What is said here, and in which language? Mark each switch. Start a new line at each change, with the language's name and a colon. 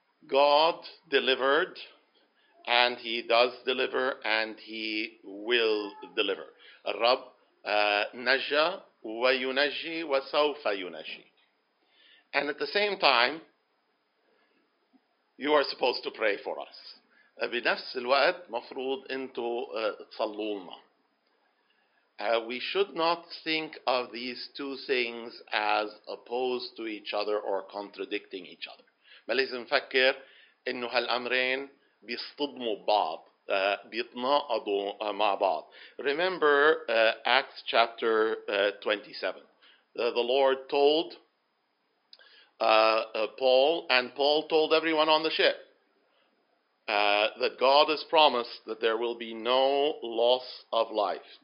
English: God delivered, and He does deliver, and He will deliver.
Arabic: رب نجى وينجي وسوف ينجي.
English: And at the same time, you are supposed to pray for us.
Arabic: بنفس الوقت مفروض أنتوا تصلوا لنا.
English: We should not think of these two things as opposed to each other or contradicting each other.
Arabic: ما لازم نفكر إنه هالأمرين بيصطدموا بعض, بيتناقضوا مع بعض.
English: Remember Acts chapter 27. The Lord told Paul, and Paul told everyone on the ship, that God has promised that there will be no loss of life.